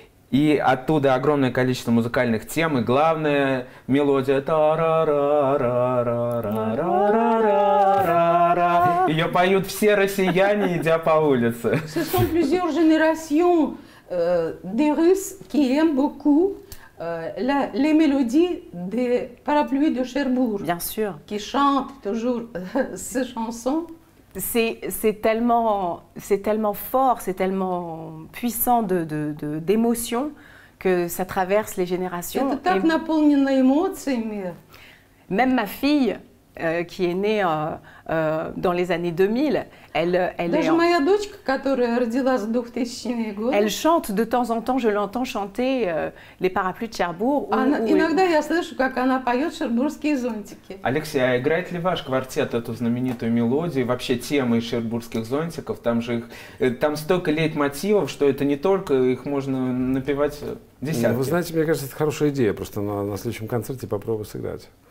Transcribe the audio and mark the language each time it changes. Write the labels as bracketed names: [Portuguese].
[Russian] И оттуда огромное количество музыкальных тем, и главная мелодия та-ра-ра-ра-ра-ра-ра-ра-ра-ра-ра. Ее поют все россияне, идя по улице. [French] Ce sont plusieurs générations. Des Russes qui aiment beaucoup les mélodies des parapluies de Cherbourg. Bien sûr. Qui chantent toujours ces chansons. C'est tellement fort, c'est tellement puissant d'émotion que ça traverse les générations. [Russian] Это так наполнено эмоциями. [French] Même ma fille Qui est née dans les années 2000. [Russian] Моя дочка, которая родилась в 2000-е годы. [French] Elle chante de temps en temps, je l'entends chanter les parapluies de Cherbourg. [Russian] Иногда я слышу, как она поет «Шербургские зонтики». Алексей, а играет ли ваш квартет эту знаменитую мелодию, вообще темы «Шербургских зонтиков»? Там же их, там столько лейтмотивов, что это не только, их можно напевать десятки. Вы знаете, мне кажется, это хорошая идея, просто на следующем концерте попробую сыграть.